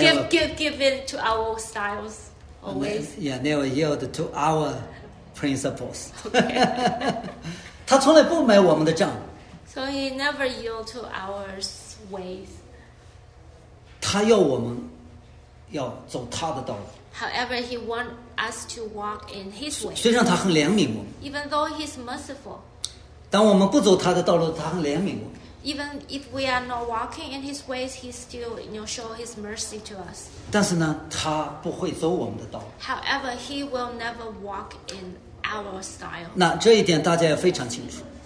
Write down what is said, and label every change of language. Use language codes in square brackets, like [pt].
[en] Give it to our styles always. Yeah, never yield to our principles. Okay. [zh] 他从来不买我们的账。 [en] So he never yield to our ways. [zh] 他要我们要走他的道路。 [en] However, he wants us to walk in his way. [zh] 虽然他很怜悯我们。 [en] Even though he's merciful. [zh] 当我们不走他的道路，他很怜悯我们。 [en] Even if we are not walking in His ways, He still, you know, show His mercy to us. [zh] 但是呢，他不会走我们的道。 [en] However, He will never walk in our style. [zh] 那这一点大家要非常清楚。